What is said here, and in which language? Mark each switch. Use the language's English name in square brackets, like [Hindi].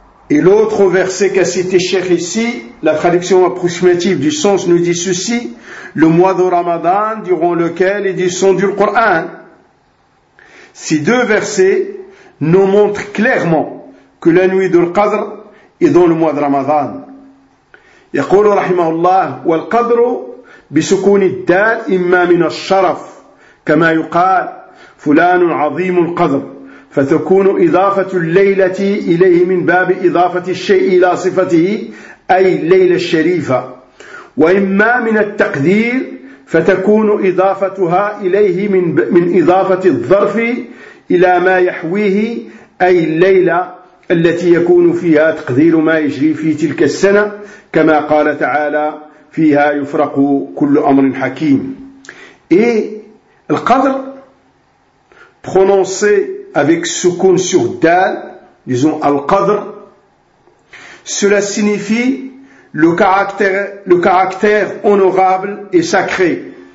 [French] Et l'autre verset qu'a cité Cheikh ici, la traduction approximative du sens nous dit ceci: le mois de Ramadan durant lequel est descendu le Coran. Ces deux versets nous montrent clairement que la nuit de l'Qadr est dans le mois de Ramadan. [Arabic] يقول رحمه الله: والقدر بسكون الدال إما من الشرف كما يقال فلان عظيم القدر، فتكون إضافة الليلة إليه من باب إضافة الشيء إلى صفته أي ليلة الشريفة، وإما من التقدير فتكون إضافتها إليه من إضافة الظرف إلى ما يحويه أي الليلة التي يكون فيها تقدير ما يجري في تلك السنة كما قال تعالى فيها يفرق كل أمر حكيم. [French] Et القدر prononcé avec سكون sur dal, disons القدر, cela signifie le caractère honorable et sacré.